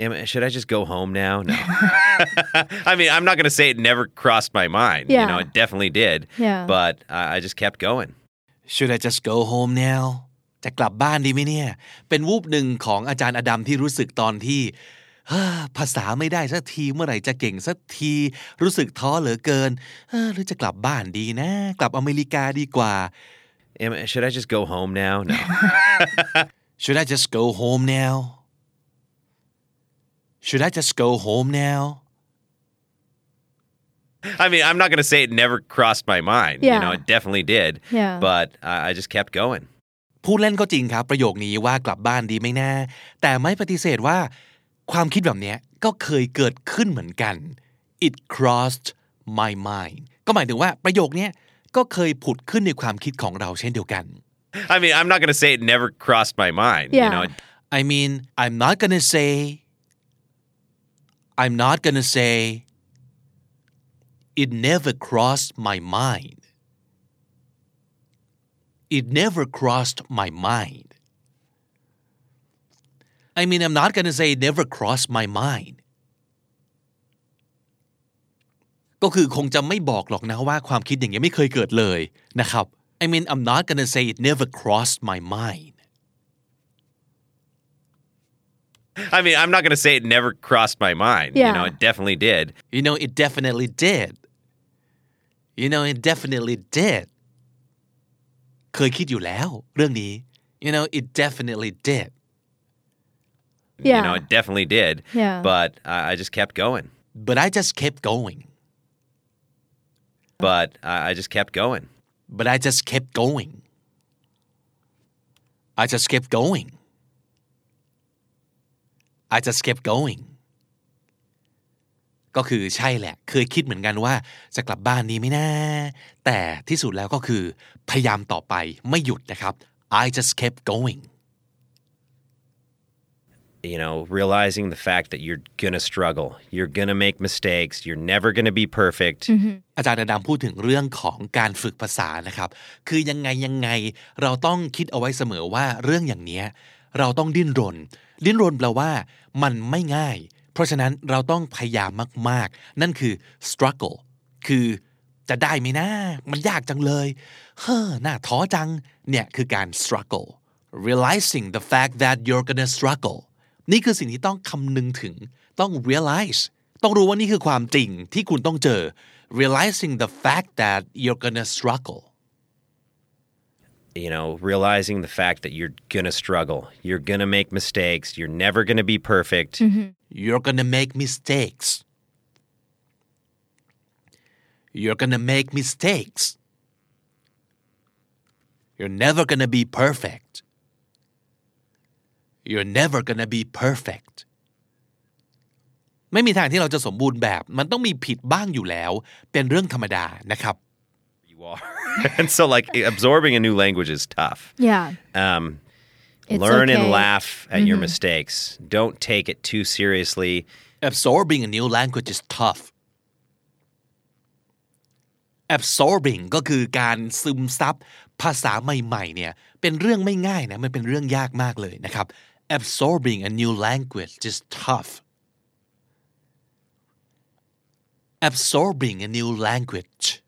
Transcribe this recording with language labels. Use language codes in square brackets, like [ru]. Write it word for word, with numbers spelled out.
[en] Should I just go home now? No. I mean, I'm not going to say it never crossed my mind. Yeah. You know, it definitely did. Yeah. But uh, I just kept going. Should I just go home now? [th] จะกลับบ้านดีไหมเนี่ยเป็นวูบหนึ่งของอาจารย์อดัมที่รู้สึกตอนที่ภาษาไม่ได้สักทีเมื่อไหร่จะเก่งสักทีรู้สึกท้อเหลือเกินหรือจะกลับบ้านดีนะกลับอเมริกาดีกว่า [en] Should I just go home now? No. Should I just go home now? Should I just go home now? I mean, I'm not going to say it never crossed my mind. Yeah. You know, it definitely did. Yeah. But uh, I just kept going. [th] พูดเล่นก็จริงครับประโยคนี้ว่ากลับบ้านดีไหมนะแต่ไม่ปฏิเสธว่าความคิดแบบนี้ก็เคยเกิดขึ้นเหมือนกัน It crossed my mind ก็หมายถึงว่าประโยคนี้ก็เคยผุดขึ้นในความคิดของเราเช่นเดียวกัน [en] I mean, I'm not going to say it never crossed my mind. Yeah. You know, I mean, I'm not going to say. I'm not going to say. It never crossed my mind. It never crossed my mind. I mean, I'm not going to say it never crossed my mind. [th] ก็คือคงจะไม่บอกหรอกนะว่าความคิดอย่างเงี้ยไม่เคยเกิดเลยนะครับ I mean, I'm not going to say it never crossed my mind. [en] I mean, I'm not going to say it never crossed my mind. Yeah. You know, it definitely did. You know, it definitely did. You know, it definitely did. [th] เคยคิดอยู่แล้วเรื่องนี้ You know, it definitely did. [en] Yeah. You know, it definitely did. Yeah. But uh, I just kept going. But I just kept going. But uh, I just kept going. But I just kept going. I just kept going. I just kept going. [th] ก็คือใช่แหละเคยคิดเหมือนกันว่าจะกลับบ้านดีไหมนะแต่ที่สุดแล้วก็คือพยายามต่อไปไม่หยุดนะครับ I just kept going [en] You know realizing the fact that you're gonna struggle you're gonna make mistakes you're never gonna be perfect [th] อาจารย์อดัมพูดถึงเรื่องของการฝึกภาษานะครับคือยังไงยังไงเราต้องคิดเอาไว้เสมอว่าเรื่องอย่างเนี้ยเราต้องดิ้นรนดิ้นรนแปลว่ามันไม่ง่ายเพราะฉะนั้นเราต้องพยายามมากๆนั่นคือ struggle คือ จะได้ไหมนะมันยากจังเลยเฮ้อน่าท้อจังเนี่ยคือการ struggle realizing the fact that you're gonna struggle นี่คือสิ่งที่ต้องคำนึงถึงต้อง realize ต้องรู้ว่านี่คือความจริงที่คุณต้องเจอ realizing the fact that you're gonna struggle [en] You know, realizing the fact that you're going to struggle. You're going to make mistakes. You're never going to be perfect. Mm-hmm. You're going to make mistakes. You're going to make mistakes. You're never going to be perfect. You're never going to be perfect. [th] ไม่มีทางที่เราจะสมบูรณ์แบบมันต้องมีผิดบ้างอยู่แล้วเป็นเรื่องธรรมดานะครับ [en] And so, like, absorbing a new language is tough. Yeah. Um, It's learn okay. and laugh at your mistakes. Don't take it too seriously. Absorbing a new language is tough. [th] Absorbing ก็คือการซึมซับภาษาใหม่ๆเนี่ยเป็นเรื่องไม่ง่ายนะมันเป็นเรื่องยากมากเลยนะครับ Absorbing a new language is tough. [en] Absorbing a new language.